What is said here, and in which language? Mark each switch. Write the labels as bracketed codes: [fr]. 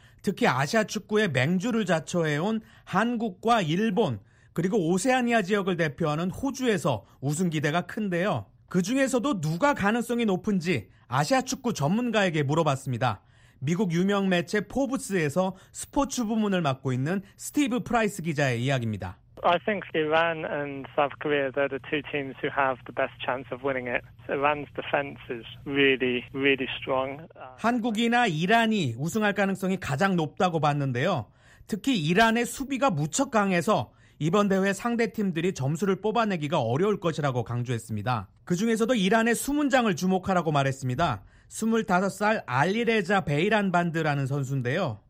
[ko] 특히 아시아 축구의 맹주를 자처해온 한국과 일본 그리고 오세아니아 지역을 대표하는 호주에서 우승 기대가 큰데요. 그중에서도 누가 가능성이 높은지 아시아 축구 전문가에게 물어봤습니다. 미국 유명 매체 포브스에서 스포츠 부문을 맡고 있는 스티브 프라이스 기자의 이야기입니다. [en] I think Iran and South Korea, they're the two teams who have the best chance of winning it. Iran's defense is really, really strong. [ko] 한국이나 이란이 우승할 가능성이 가장 높다고 봤는데요. 특히 이란의 수비가 무척 강해서 이번 대회 상대 팀들이 점수를 뽑아내기가 어려울 것이라고 강조했습니다. 그중에서도 이란의 수문장을 주목하라고 말했습니다. 25살 알리레자 베이란 반드라는 선수인데요.